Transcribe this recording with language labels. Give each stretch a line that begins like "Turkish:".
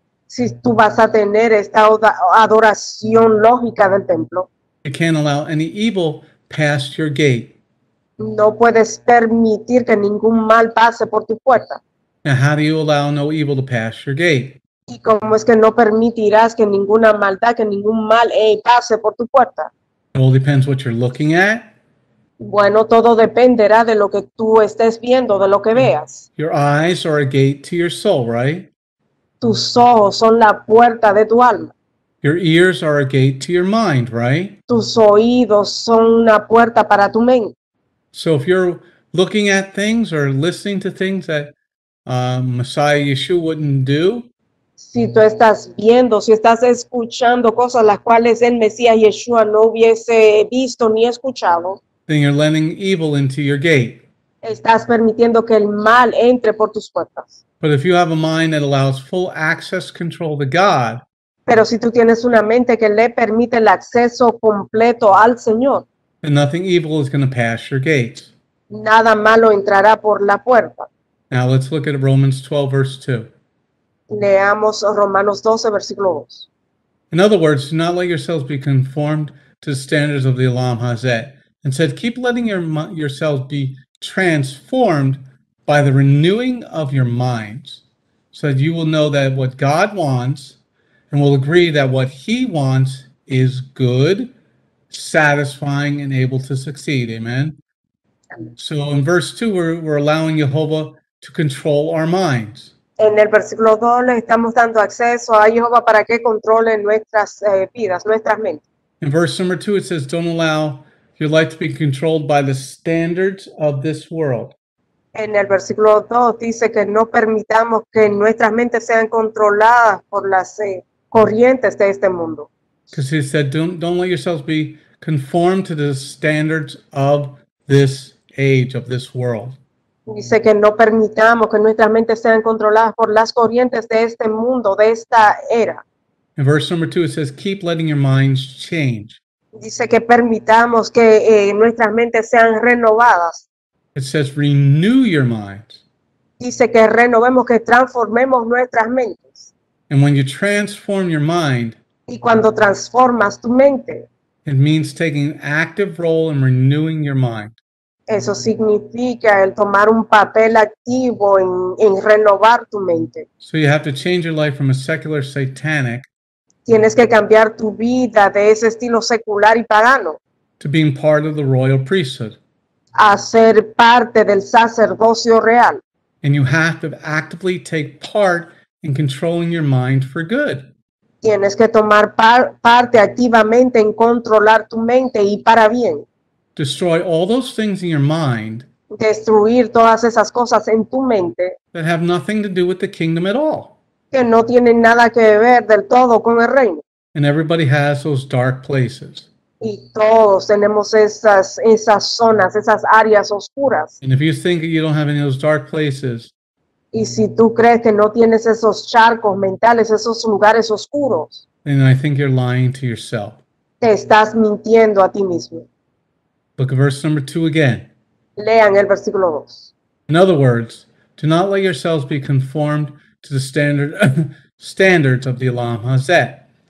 Spanish: si tú vas a tener esta adoración lógica del templo,
English: you can't allow any evil past your gate.
Spanish: No puedes permitir que ningún mal pase por tu puerta.
English: Now, how do you allow no evil to pass your gate?
Spanish: ¿Y cómo es que no permitirás que ninguna maldad, que ningún mal pase por tu puerta?
English: It all depends what you're looking at.
Spanish: Bueno, todo dependerá de lo que tú estés viendo, de lo que veas.
English: Your eyes are a gate to your soul, right?
Spanish: Tus ojos son la puerta de tu alma.
English: Your ears are a gate to your mind, right?
Spanish: Tus oídos son una puerta para tu mente.
English: So if you're looking at things or listening to things that Messiah Yeshua wouldn't do,
Spanish: si tú estás viendo, si estás escuchando cosas las cuales el Mesías Yeshua no hubiese visto ni escuchado,
English: then you're letting evil into your gate.
Spanish: Estás permitiendo que el mal entre por tus puertas.
English: But if you have a mind that allows full access control to God,
Spanish: pero si tú tienes una mente que le permite el acceso completo al Señor,
English: then nothing evil is going to pass your gate.
Spanish: Nada malo entrará por la puerta.
English: Now let's look at Romans 12, verse 2.
Spanish: Leamos Romanos 12, versículo 2.
English: In other words, do not let yourselves be conformed to the standards of the Olam Hazeh. Instead, keep letting yourselves be transformed by the renewing of your minds, so that you will know that what God wants, and will agree that what he wants is good, satisfying, and able to succeed. Amen. So in verse 2, we're allowing Jehovah to control our minds.
Spanish: En el versículo 2 le estamos dando acceso a Jehovah para que controle nuestras vidas, nuestras mentes.
English: In verse number 2, it says, don't allow your life to be controlled by the standards of this world.
Spanish: En el versículo 2 dice que no permitamos que nuestras mentes sean controladas por las corrientes de este mundo.
English: Because he said, don't let yourselves be conformed to the standards of this age, of this world.
Spanish: Dice que no permitamos que nuestras mentes sean controladas por las corrientes de este mundo, de esta era.
English: In verse number 2, it says, keep letting your minds change.
Spanish: Dice que permitamos que nuestras mentes sean renovadas.
English: It says, renew your minds.
Spanish: Dice que renovemos, que transformemos nuestras mentes.
English: And when you transform your mind,
Spanish: y cuando transformas tu mente,
English: it means taking an active role in renewing your mind.
Spanish: Eso significa el tomar un papel activo en renovar tu mente.
English: So you have to change your life from a secular satanic.
Spanish: Tienes que cambiar tu vida de ese estilo secular y pagano.
English: To being part of the royal priesthood.
Spanish: A ser parte del sacerdocio real.
English: And you have to actively take part in controlling your mind for good.
Spanish: Tienes que tomar parte activamente en controlar tu mente y para bien.
English: Destroy all those things in your mind.
Spanish: Destruir todas esas cosas en tu mente.
English: That have nothing to do with the kingdom at all.
Spanish: Que no tienen nada que ver del todo con el reino.
English: And everybody has those dark places.
Spanish: Y todos tenemos esas zonas, esas áreas oscuras.
English: And if you think you don't have any of those dark places.
Spanish: Y si tú crees que no tienes esos charcos mentales, esos lugares oscuros.
English: Then I think you're lying to yourself.
Spanish: Te estás mintiendo a ti mismo.
English: Look at verse number 2 again.
Spanish: Lean el versículo 2.
English: In other words, do not let yourselves be conformed to the standards of the Olam Hazeh.